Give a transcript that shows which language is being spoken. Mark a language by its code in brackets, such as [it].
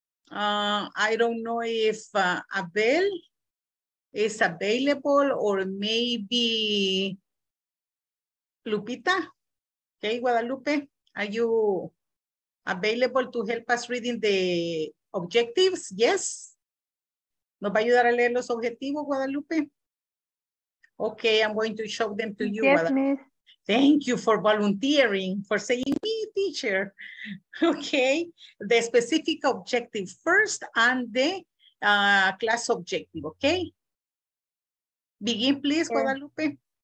[en] I don't know if Abel is available or maybe Lupita. Okay, Guadalupe, are you available to help us reading the objectives? Yes. [es] ¿Nos va a ayudar a leer los objetivos, Guadalupe? [en] Okay, I'm going to show them to you. Yes, Guadalupe. Thank you for volunteering, for saying me, teacher. Okay, the specific objective first and the class objective, okay? Begin, please, okay. Guadalupe.